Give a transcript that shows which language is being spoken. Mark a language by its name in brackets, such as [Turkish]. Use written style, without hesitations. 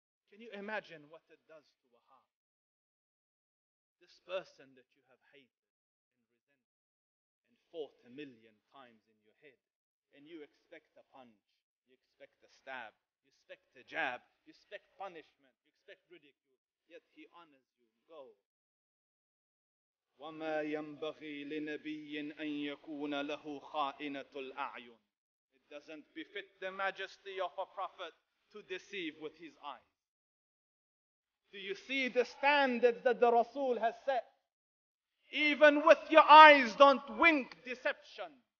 [English] Can you imagine what it does to a heart? This person that you have hated and resented and fought a million times in your head, and you expect a punch, you expect a stab, you expect a jab, you expect punishment, you expect ridicule, yet he honors you. Go. [Arabic] وما ينبغي لنبي أن يكون له خائنة الأعين. [English] It doesn't befit the majesty of a prophet to deceive with his eyes. Do you see the standards that the Rasul has set? Even with your eyes, don't wink deception.